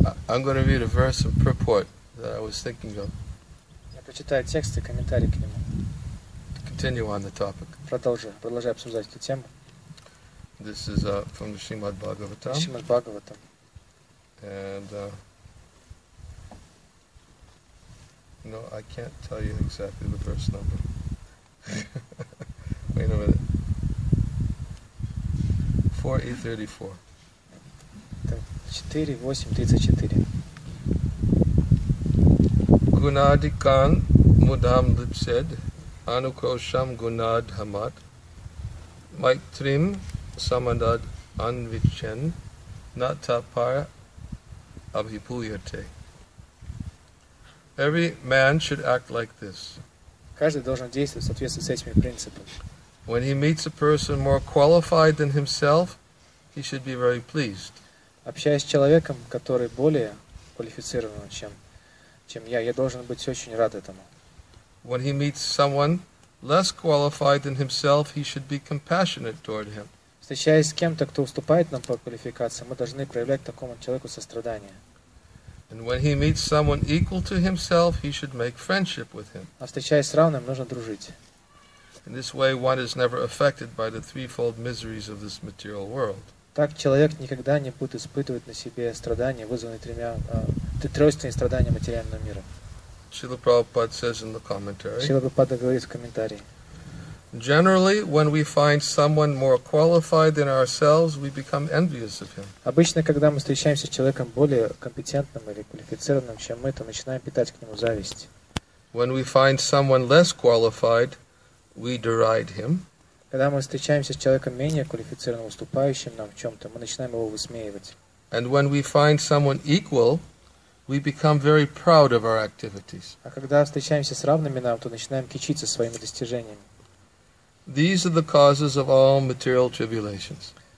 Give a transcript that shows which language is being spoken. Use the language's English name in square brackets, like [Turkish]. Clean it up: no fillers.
[English] I'm going to read a verse of purport that I was thinking of. [Russian] Я прочитаю текст и комментарий к нему. [English] Continue on the topic. [Russian] Продолжай обсуждать эту тему. [English] This is from the Srimad Bhagavatam. Srimad Bhagavatam. And no, I can't tell you exactly the verse number. Wait a minute. 4:34. [Russian] Так, 4:34. [Sanskrit] Gunadikan mudam lipsed anukrosham gunad hamat maitrim samadad anvichen natapar abhipuyate. [English] Every man should act like this. [Russian] Каждый должен действовать в соответствии с этими принципами. [English] When he meets a person more qualified than himself, he should be very pleased. [Russian] Общаясь с человеком, который более квалифицирован, чем я должен быть очень рад этому. [English] When he meets someone less qualified than himself, he should be compassionate toward him. [Russian] Встречаясь с кем-то, кто уступает нам по квалификации, мы должны проявлять такому человеку сострадание. [English] And when he meets someone equal to himself, he should make friendship with him. [Russian] А встречаясь с равным, нужно дружить. [English] In this way, one is never affected by the threefold miseries of this material world. [Russian] Так человек никогда не будет испытывать на себе страдания, вызванные тройственные страдания материального мира. [English] Srila Prabhupada says in the commentary. [Russian] Srila Prabhupada говорит в комментарии. [English] Generally, when we find someone more qualified than ourselves, we become envious of him. [Russian] Обычно, когда мы встречаемся с человеком более компетентным или квалифицированным, чем мы, то начинаем питать к нему зависть. [English] When we find someone less qualified, we deride him. [Russian] Когда мы встречаемся с человеком менее квалифицированным, уступающим нам в чем-то, мы начинаем его высмеивать. [English] And when we find someone equal, we become very proud of our activities. [Russian] А когда встречаемся с равными нам, то начинаем кичиться своими достижениями. [English] These are the causes of all material tribulations.